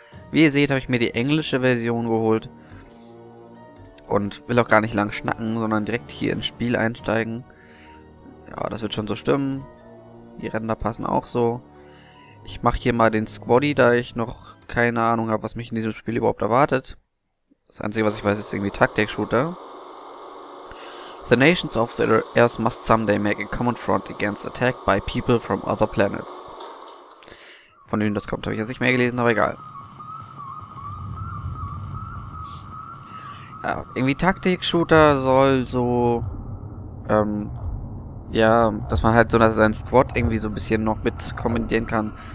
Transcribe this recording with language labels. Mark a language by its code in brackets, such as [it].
[de] Wie ihr seht, habe ich mir die englische Version geholt und will auch gar nicht lang schnacken, sondern direkt hier ins Spiel einsteigen. Ja, das wird schon so stimmen. Die Ränder passen auch so. Ich mache hier mal den Squaddy, da ich noch keine Ahnung habe, was mich in diesem Spiel überhaupt erwartet. Das Einzige, was ich weiß, ist irgendwie Taktik-Shooter. [en] The nations of the Earth must someday make a common front against attack by people from other planets. [de] Von denen das kommt, habe ich jetzt nicht mehr gelesen, aber egal. Ja, irgendwie Taktik-Shooter soll so, ja, dass man halt so seinen Squad irgendwie so ein bisschen noch mit kommentieren kann.